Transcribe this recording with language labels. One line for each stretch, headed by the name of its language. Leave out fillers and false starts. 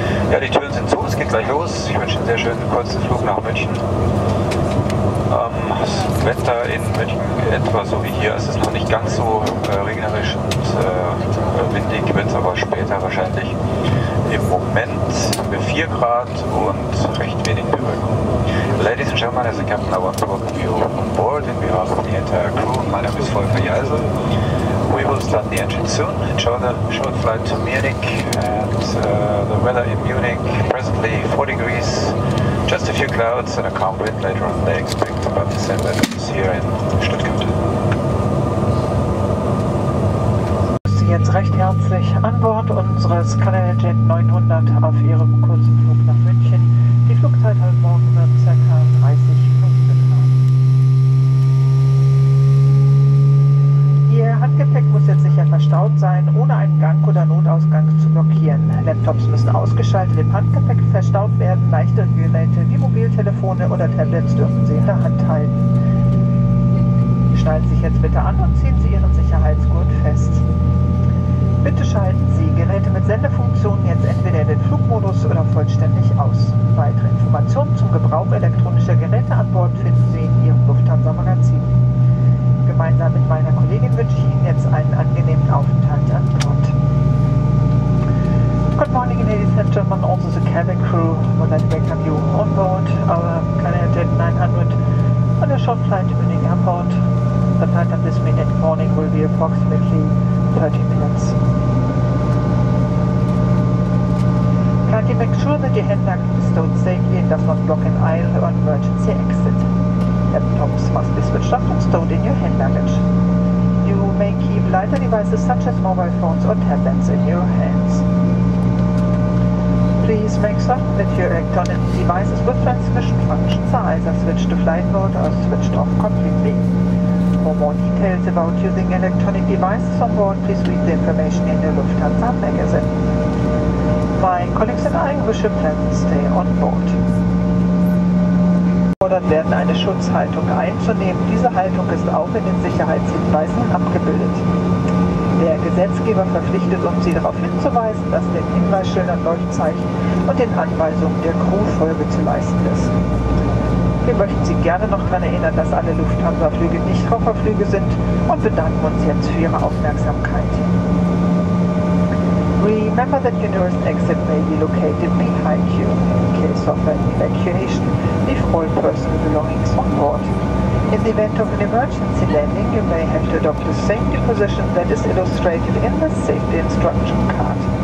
German: Ja, die Türen sind zu, es geht gleich los. Ich wünsche einen sehr schönen kurzen Flug nach München. Das Wetter in München etwa so wie hier. Es ist noch nicht ganz so regnerisch und windig, wird es aber später wahrscheinlich. Im Moment haben wir 4 Grad und recht wenig Bewölkung.
English: Ladies and gentlemen, as the captain, I want to welcome you on board and we have the entire crew. My name is Volker Jeisel. We will start the engine soon. Enjoy the short flight to Munich and the weather in Munich. Presently 4 degrees. Just a few clouds and a calm wind later on. They expect about the same weather here in Stuttgart.
German: Jetzt recht herzlich an Bord unseres CalAirJet 900 auf ihrem kurzen Flug nach München. Die Flugzeit heute Morgen wird ca. 30 Minuten betragen. Ihr Handgepäck muss jetzt sicher verstaut sein, ohne einen Gang oder Notausgang zu blockieren. Laptops müssen ausgeschaltet im Handgepäck verstaut werden. Leichte Geräte wie Mobiltelefone oder Tablets dürfen Sie in der Hand halten. Schnallen Sie sich jetzt bitte an und ziehen Sie Ihren Sicherheitsgurt fest. Bitte schalten Sie Geräte mit Sendefunktionen jetzt entweder in den Flugmodus oder vollständig aus. Weitere Informationen zum Gebrauch elektronischer Geräte an Bord finden Sie in Ihrem Lufthansa-Magazin. Gemeinsam mit meiner Kollegin wünsche ich Ihnen jetzt einen angenehmen Aufenthalt an Bord.
English: Good morning, ladies and gentlemen. Also the cabin crew would like to welcome you on board our CalAirJet 900 on a short flight to Munich Airport. The flight at this minute morning will be approximately 30 minutes. Kindly make sure that your handbag is stowed safely and does not block an aisle or an emergency exit. Laptops must be switched off and stowed in your hand luggage. You may keep lighter devices such as mobile phones or tablets in your hands. Please make sure that your electronic devices with transmission functions are either switched to flight mode or switched off completely. For more details about using electronic devices on board, please read the information in the Lufthansa magazine. My colleagues and I wish you a pleasant stay on board.
German: Gefordert werden, eine Schutzhaltung einzunehmen. Diese Haltung ist auch in den Sicherheitshinweisen abgebildet. Der Gesetzgeber verpflichtet uns, Sie darauf hinzuweisen, dass den Hinweisschildern, Leuchtzeichen und den Anweisungen der Crew Folge zu leisten ist. Wir möchten Sie gerne noch daran erinnern, dass alle Lufthansa-Flüge Nichtraucherflüge sind und bedanken uns jetzt für Ihre Aufmerksamkeit.
English: Remember that your nearest exit may be located behind you. In case of an evacuation, leave all personal belongings on board. In the event of an emergency landing, you may have to adopt the safety position that is illustrated in the safety instruction card.